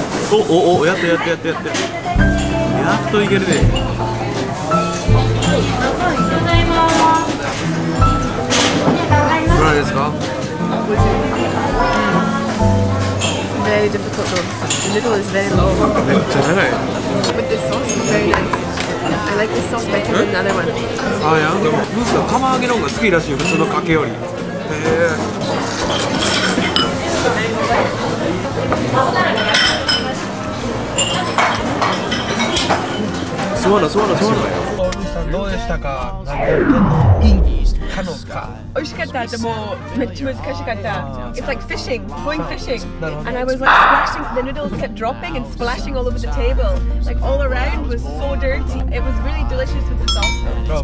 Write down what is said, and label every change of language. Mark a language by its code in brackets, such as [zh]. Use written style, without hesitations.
[en] Oh, yeah. What is it? Very difficult though. The noodle is very long. [ja] めっちゃ長い。 [en] But the sauce is very nice. I like this sauce better than another one. [ja] あ、やん。ムースは釜揚げの方が好きらしいよ、普通のかけより。そうなの、そうなの、そうなの。どうでしたか？なんか天の演技したのか？美味しかった。でもめっちゃ難しかった。 [en] It's like fishing, going fishing. And I was like splashing, the noodles kept dropping and splashing all over the table. Like all around was so dirty. It was really delicious with the sauce.